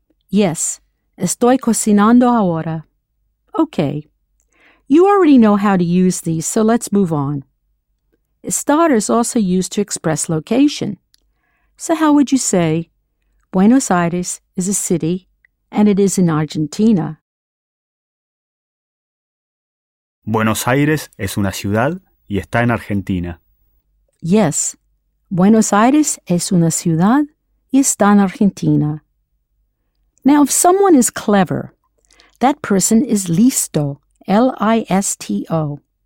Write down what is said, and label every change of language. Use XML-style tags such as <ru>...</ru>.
<en>Yes,</en> <es>estoy cocinando ahora.</es> <en>Okay. You already know how to use these, so let's move on. Estar is also used to express location. So how would you say, Buenos Aires is a city and it is in Argentina?</en> <es>Buenos Aires es una ciudad y está en Argentina.</es> <en>Yes,</en> <es>Buenos Aires es una ciudad y está en Argentina.</es> <en>Now, if someone is clever, that person is listo, L-I-S-T-O.</en>